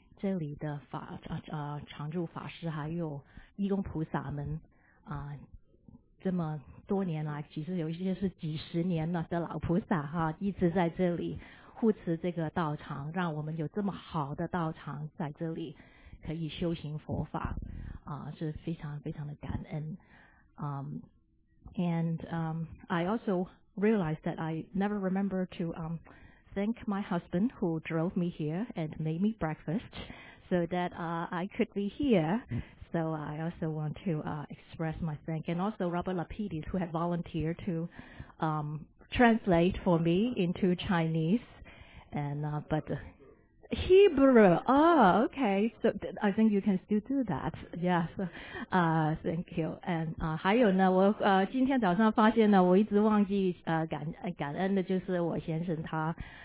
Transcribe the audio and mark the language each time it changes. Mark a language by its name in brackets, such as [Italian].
[Chinese] 这里的常住法师还有义工菩萨们这么多年来，其实有一些是几十年了的老菩萨哈，一直在这里护持这个道场，让我们有这么好的道场在这里可以修行佛法是非常非常的感恩。 [English] I also realized that I never remember to thank my husband who drove me here and made me breakfast so that I could be here. So I also want to express my thank. And also Robert Lapidus who had volunteered to translate for me into Chinese. But Hebrew, okay. So I think you can still do that. Yes, thank you. [Chinese] And 还有呢，我今天早上发现呢，我一直忘记感恩的就是我先生他。